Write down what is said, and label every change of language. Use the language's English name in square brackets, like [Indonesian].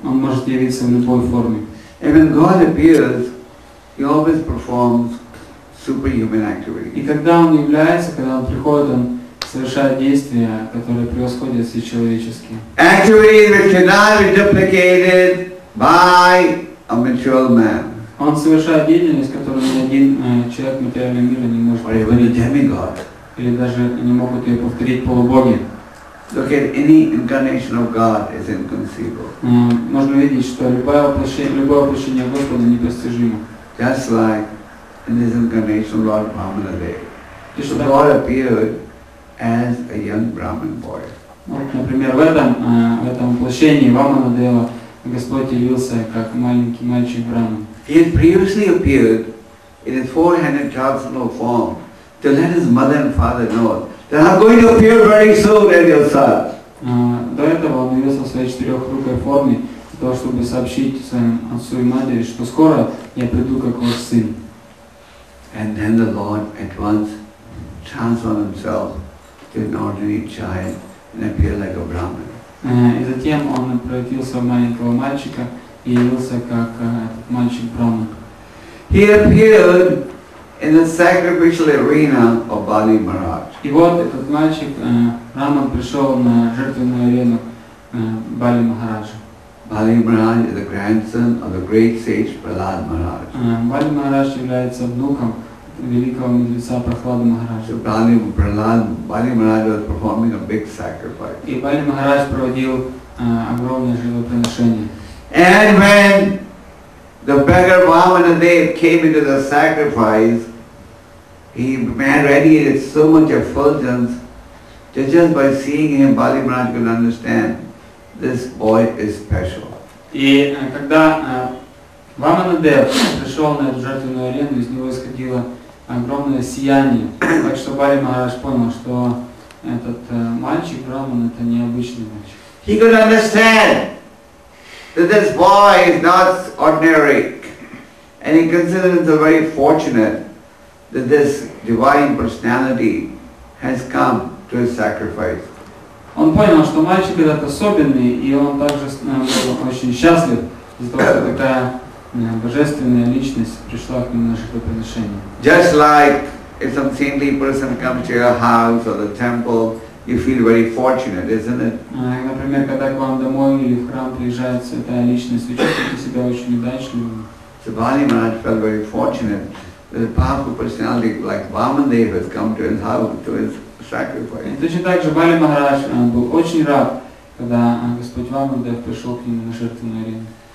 [Russian] Он может явиться в любой форме. [English] And when God appears, he always performs superhuman activity. [Russian] И когда он является, когда он приходит, он совершает действия, которые превосходят все человеческие. [English] Activities which cannot be duplicated by a material man. [Russian] Он совершает деятельность, которую ни один человек материального мира не может повторить. [English] Or even a demigod. [Russian] Или даже не могут ее повторить полубоги. [English] Look at any incarnation of God is inconceivable. [Russian] Можно видеть, что любое воплощение Господа непостижимо. [English] Just like in this incarnation of Lord Brahmana Dev. So God appeared as a young Brahmin boy. [Russian] Вот, например, в этом воплощении Вамана Дева Господь явился как маленький мальчик Брахман. [English] He had previously appeared in his 400-year-old form to let his mother and father know that I'm going to appear very soon as your son. [Russian] До этого он явился в своей четырехрукой форме для того, чтобы сообщить своим отцу и матери, что скоро я приду как ваш сын. [English] And then the Lord at once transformed himself to an ordinary child and appear like a Brahmin. [Russian] И затем он превратился в маленького мальчика и явился как мальчик Брахман. [English] He appeared in the sacrificial arena of Bali Maharaj. [Russian] И вот этот мальчик Брахман пришел на жертвенную арену Бали Махараджа. [English] Bali Maharaj is the grandson of the great sage Prahlad Maharaj. [Russian] Bali Maharaj является внуком великого мудреца Прохлада Махараджа. [English] Bali Maharaj was performing a big sacrifice. [Russian] И Бали Махарадж проводил огромное жертвоприношение. [English] And when The beggar Vamana Dev came into the sacrifice. He man ready so much effulgence. Just by seeing him, Bali Maharaj could understand this boy is special. [Russian] И когда Вамана Дев пришел на эту жертвенную арену, из него исходило огромное сияние. Так что Бали Махарадж понял, что этот мальчик, Раман, это необычный мальчик. [English] He could understand that this boy is not ordinary. And he considered it very fortunate that this divine personality has come to his sacrifice. [Russian] Он понял, что мальчик этот особенный, и он также был очень счастлив из-за того, что такая божественная личность пришла к нему на жертвоприношение. [English] Just like if some saintly person comes to your house or the temple, you feel very fortunate, isn't it? [Russian] Например, когда к вам домой или в храм приезжает святая личность, вы чувствуете себя очень удачливым. [English] So Bali Maharaj felt very fortunate that a powerful personality like Vamandev has come to his house, to his sacrifice. [Russian] И точно так же Бали Махарадж был очень рад, когда Господь Вамандев пришел к нему на жертвенную арену.